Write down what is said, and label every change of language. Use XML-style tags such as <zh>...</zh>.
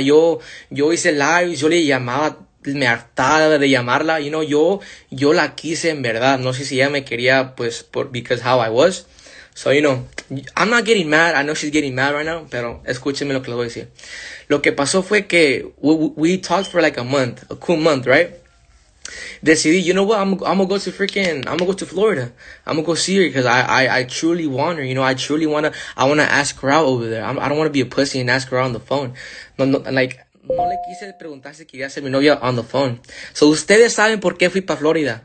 <es>Yo hice lives, yo le llamaba. Me hartaba de llamarla, y you no, know, yo la quise en verdad.</es> <en>No sé si ella me quería, pues, because how I was. So, you know, I'm not getting mad. I know she's getting mad right now, pero escúchenme lo que les voy a decir. Lo que pasó fue que we talked for like a month, a cool month, right? Decidí, you know what, I'm gonna go to Florida. I'm gonna go see her because I truly want her. You know, I wanna ask her out over there. I don't wanna be a pussy and ask her out on the phone.</en> <es>No, like, no le quise preguntar si quería ser mi novia on the phone. So, ustedes saben por qué fui para Florida.</es>